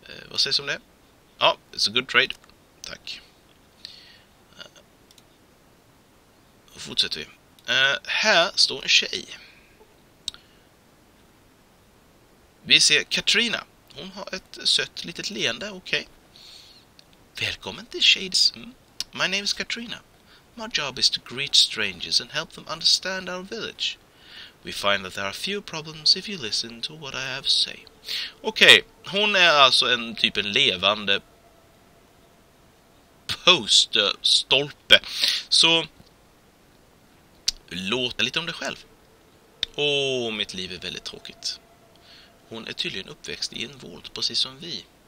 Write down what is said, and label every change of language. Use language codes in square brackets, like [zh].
[sv] Vad sägs om det? Ja, [en] oh, it's a good trade. [sv] Tack. Då fortsätter vi. Här står en tjej. Vi ser Katrina. Hon har ett sött litet leende, okej. [en] Okay. [sv] Välkommen till Shades. [en] My name is Katrina. My job is to greet strangers and help them understand our village. We find that there are few problems if you listen to what I have to say. [sv] Okej, okay. Hon är alltså en typ en levande posterstolpe. Så låt lite om dig själv. Åh, mitt liv är väldigt tråkigt. Hon är tydligen uppväxt i en vård, precis som vi.